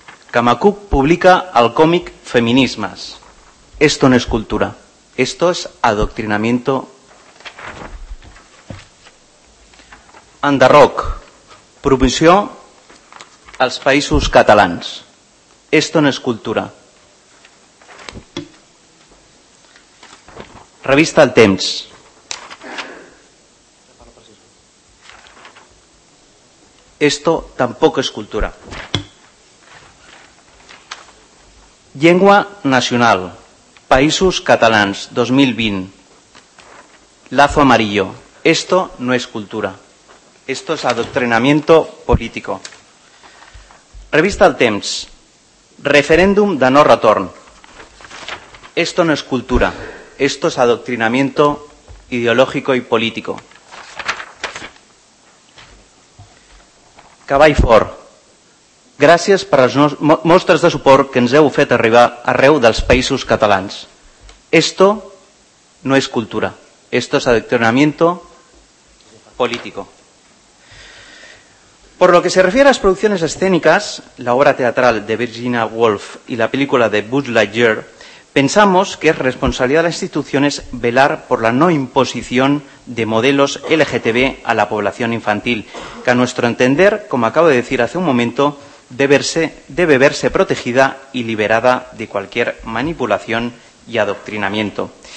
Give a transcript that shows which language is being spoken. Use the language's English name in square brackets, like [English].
[Catalan] Camacuc publica el còmic Feminismes. [Spanish] Esto no es cultura. Esto es adoctrinamiento. [Catalan] Andarroc. Promoció als Països Catalans. [Spanish] Esto no es cultura. [Catalan] Revista El Temps. [Spanish] Esto tampoco es cultura. [Catalan] Llengua nacional. Països Catalans, 2020. [Spanish] Lazo amarillo. Esto no es cultura. Esto es adoctrinamiento político. Revista El Temps. Referéndum de no retorn. Esto no es cultura. Esto es adoctrinamiento ideológico y político. [Catalan] Cavall Fort. Gràcies per les mostres de suport que ens heu fet arribar arreu dels Països Catalans. [Spanish] Esto no es cultura. Esto es adoctrinamiento político. Por lo que se refiere a las producciones escénicas, la obra teatral de Virginia Woolf y la película de Buzz Lightyear, pensamos que es responsabilidad de las instituciones velar por la no imposición de modelos LGTB a la población infantil, que a nuestro entender, como acabo de decir hace un momento, debe verse protegida y liberada de cualquier manipulación y adoctrinamiento.